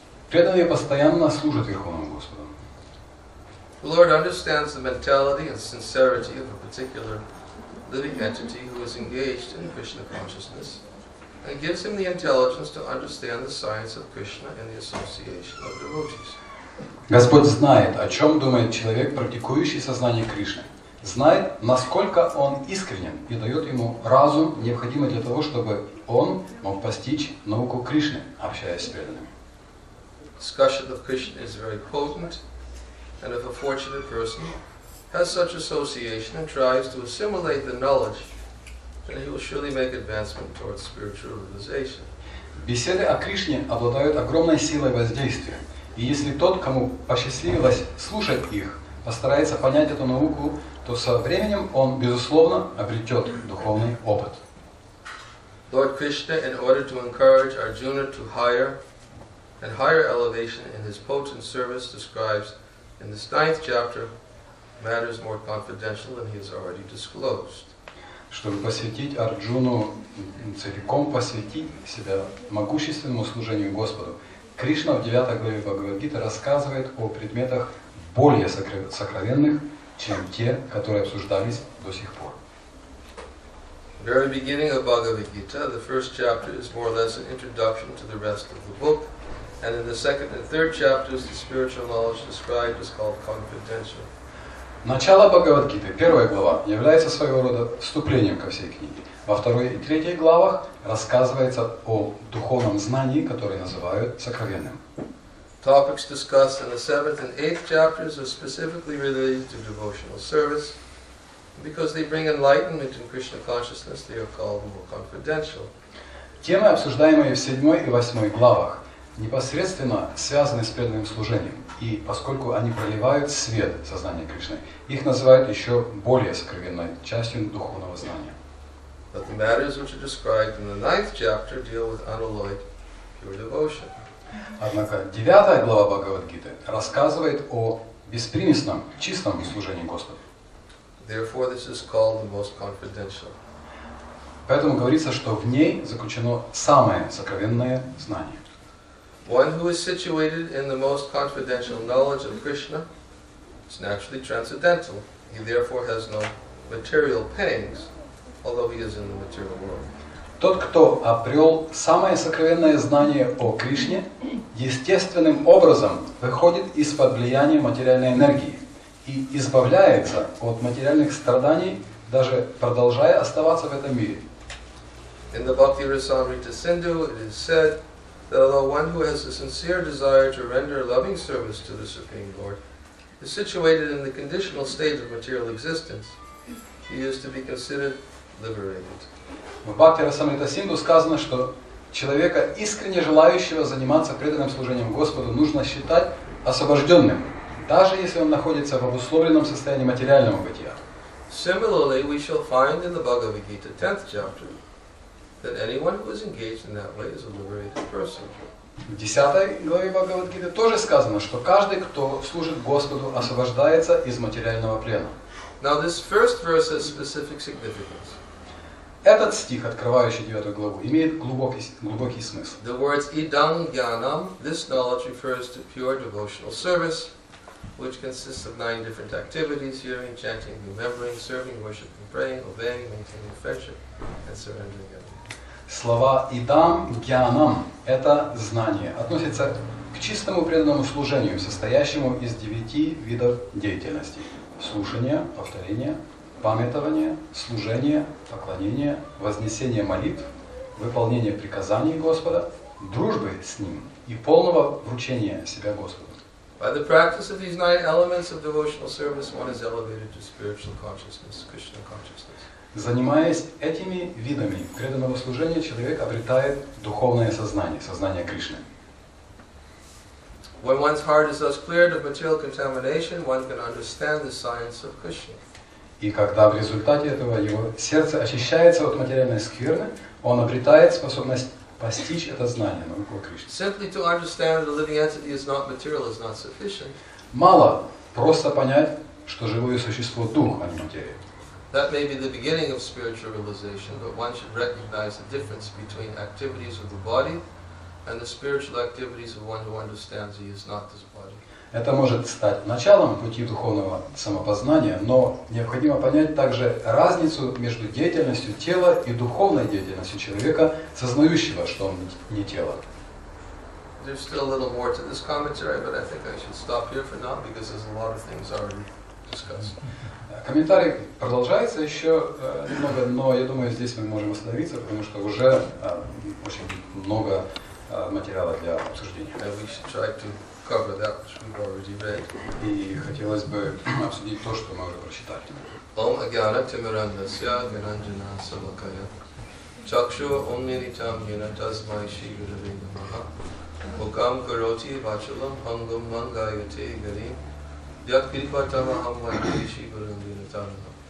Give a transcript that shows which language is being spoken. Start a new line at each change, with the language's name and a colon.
Russian: Преданные постоянно служат Верховному Господу.
English: The Lord understands the mentality and sincerity of a particular living entity who is engaged in Krishna consciousness. And gives him the intelligence to understand the science of Krishna and the association of devotees.
Russian: Господь знает, о чем думает человек, практикующий сознание Кришны, знает, насколько он искренен, и дает ему разум, необходимый для того, чтобы он мог постичь науку Кришны, общаясь с преданными.
English: Discussion of Krishna is very potent, and if a fortunate person has such association and tries to assimilate the knowledge, then he will surely make advancement towards spiritual realization.
Russian: Беседы о Кришне обладают огромной силой воздействия, и если тот, кому посчастливилось слушать их, постарается понять эту науку, то со временем он безусловно обретет духовный опыт.
English: Lord Krishna, in order to encourage Arjuna to higher and higher elevation in his potent service, describes in this ninth chapter matters more confidential than he has already disclosed.
Russian: Чтобы посвятить Арджуну, целиком посвятить себя могущественному служению Господу, Кришна в 9 главе Бхагавад-гиты рассказывает о предметах более сокровенных, чем те, которые обсуждались до сих пор.
English: В very beginning of Bhagavad-gita, the first chapter is more or less an introduction to the rest of the book, and in the second and third chapters, the spiritual knowledge described is called confidential.
Russian: Начало Бхагавад-гиты, первая глава, является своего рода вступлением ко всей книге. Во второй и третьей главах рассказывается о духовном знании, которое называют сокровенным.
English: Topics discussed in the seventh and eighth chapters are specifically related to devotional service. Because they bring enlightenment in Krishna consciousness, they are called more confidential.
Russian: Темы, обсуждаемые в седьмой и восьмой главах, непосредственно связаны с преданным служением, и поскольку они проливают свет сознания Кришны, их называют еще более сокровенной частью духовного знания.
English: But the matters which are described in the ninth chapter deal with unalloyed pure devotion.
Russian: Однако девятая глава Бхагавад-гиты рассказывает о беспримесном, чистом служении Господу.
English: Therefore, this is called the most confidential.
Russian: Поэтому говорится, что в ней заключено самое сокровенное знание.
English: One who is situated in the most confidential knowledge of Krishna is naturally transcendental. He therefore has no material pains, although he is in the material world.
Russian: Тот, кто обрел самое сокровенное знание о Кришне, естественным образом выходит из-под влияния материальной энергии и избавляется от материальных страданий, даже продолжая оставаться в этом мире.
English: In the Bhakti Rasamrita Sindhu it is said that although one who has a sincere desire to render loving service to the Supreme Lord is situated in the conditional state of material existence, he is to be considered liberated.
Russian: В Бхакти Расамрита Синдху сказано, что человека, искренне желающего заниматься преданным служением Господу, нужно считать освобожденным, даже если он находится в обусловленном состоянии материального бытия.
English: Similarly, we shall find in the Bhagavad Gita, 10th chapter, that anyone who is engaged in that way is a liberated person.
Russian: В 10 главе Бхагавад Гиты тоже сказано, что каждый, кто служит Господу, освобождается из материального плена.
English: Now this first verse has specific significance.
Russian: Этот стих, открывающий девятую главу, имеет глубокий смысл.
English: The words idam jnanam, this knowledge refers to pure devotional service, which consists of nine different activities: hearing, chanting, remembering, serving, worshiping, praying, obeying, maintaining friendship, and surrendering everything.
Russian: Слова идам jnanam – это знание, относится к чистому преданному служению, состоящему из девяти видов деятельности: слушания, повторения, памятование, служение, поклонение, вознесение молитв, выполнение приказаний Господа, дружбы с Ним и полного вручения себя Господу.
English: By the practice of these nine elements of devotional service, one is elevated to spiritual consciousness, Krishna consciousness.
Russian: Занимаясь этими видами преданного служения, человек обретает духовное сознание, сознание Кришны.
English: When one's heart is thus cleared of material contamination, one can understand the science of Krishna.
Russian: И когда в результате этого его сердце очищается от материальной скверны, он обретает способность постичь это знание, науку Кришны.
English: Simply to understand that a living entity is not material is not sufficient.
Russian: Мало просто понять, что живое существо – дух, а не материя.
English: That may be the beginning of spiritual realization, but one should recognize the difference between activities of the body and the spiritual activities of one who understands he is not this body.
Russian: Это может стать началом пути духовного самопознания, но необходимо понять также разницу между деятельностью тела и духовной деятельностью человека, сознающего, что он не тело.
English: There's still a little more to this commentary, but I think I should stop here for now, because there's a lot of things already discussed.
Russian: Комментарий продолжается еще немного, но я думаю, здесь мы можем остановиться, потому что уже очень много материала для обсуждения.
English: And we should try to cover that which we've already read.
Russian: И хотелось бы обсудить то, что мы уже прочитали.
Sanskrit: Ом агьяна тимиранджасья гиранджана савакая чакшу умниритам яна тасмай ши гурве намаха мукам кароти вачалам хангам мангайате гари яд крипатава амвайте ши гурве натарна